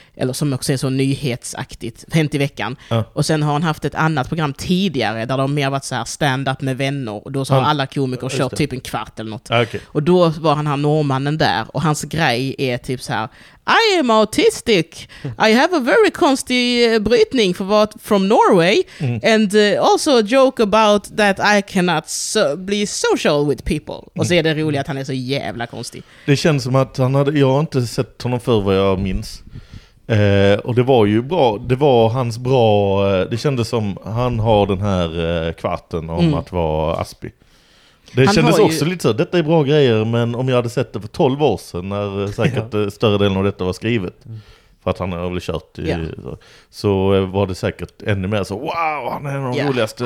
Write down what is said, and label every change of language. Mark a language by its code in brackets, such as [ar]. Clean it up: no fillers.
[sv] Eller som också är så nyhetsaktigt, hänt i veckan. Ja. Och sen har han haft ett annat program tidigare där de har mer varit så här stand-up med vänner. Och då så har alla komiker kört typ en kvart eller något. Okay. Och då var han här norrmannen där. Och hans grej är typ så här, [en] I am autistic. I have a very [sv] konstig brytning för vad [en] from Norway. Mm. And also a joke about that I cannot be social with people. [sv] Och så är det roligt att han är så jävla konstig. Det känns som att han hade, jag har inte sett honom för vad jag minns. Och det var ju bra, det var hans bra, det kändes som han har den här kvarten om att vara Aspi. Det han kändes också ju... lite så, detta är bra grejer, men om jag hade sett det för 12 år sedan när säkert större delen av detta var skrivet, för att han har väl kört i, så var det säkert ännu mer så, wow, han är den roligaste.